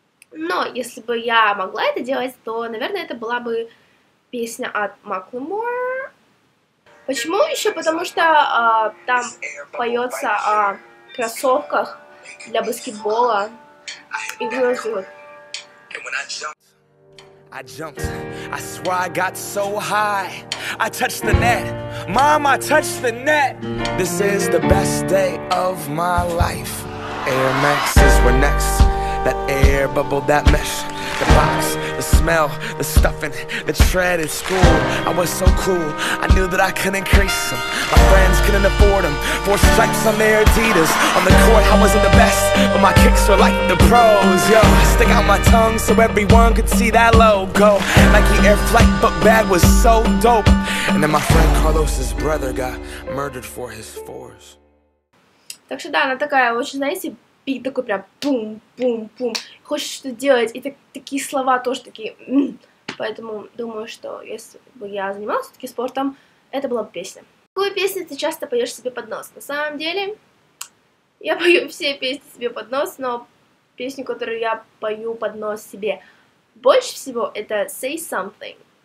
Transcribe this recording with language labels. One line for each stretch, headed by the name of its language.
Russian: Но если бы я могла это делать, то, наверное, это была бы песня от Macklemore. Почему еще? Потому что там поется о кроссовках для баскетбола и грозит.
English: I jumped, I swear I got so high. I touched the net, mom, I touched the net. This is the best day of my life. Air Maxes were next, that air bubble, that mesh. The box, the smell, the stuffing, the tread at school. I was so cool, I knew that I couldn't crease them. My friends couldn't afford them, four stripes on their Adidas. On the court, I wasn't the best, but my kicks were like the pros. Yo, I stick out my tongue so everyone could see that logo. Nike Air Flight book bag was so dope. And then my friend Carlos's brother got murdered for his fours.
Russian: Так что да, она такая очень, знаете, бит такой прям пум-пум-пум. Хочешь что-то делать, и такие слова тоже такие. Поэтому думаю, что если бы я занималась таким спортом, это была бы песня. Какую песню ты часто поешь себе под нос? На самом деле, я пою все песни себе под нос, но песню, которую я пою под нос себе больше всего, это Say Something.